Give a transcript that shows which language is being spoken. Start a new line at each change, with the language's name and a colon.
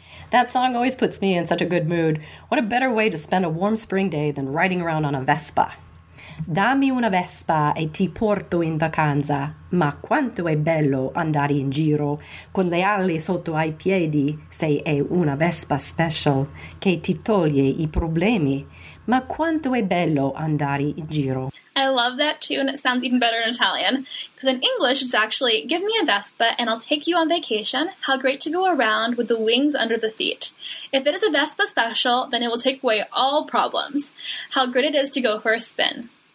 English: That song always puts me in such a good mood. What a better way to spend a warm spring day than riding around on a Vespa.
Italian: Dammi una Vespa e ti porto in vacanza. Ma quanto è bello andare in giro con le ali sotto ai piedi se è una Vespa special che ti toglie i problemi. Ma quanto è bello andare in giro.
English: I love that too, and it sounds even better in Italian. Because in English, it's actually, give me a Vespa and I'll take you on vacation. How great to go around with the wings under the feet. If it is a Vespa special, then it will take away all problems. How great it is to go for a spin.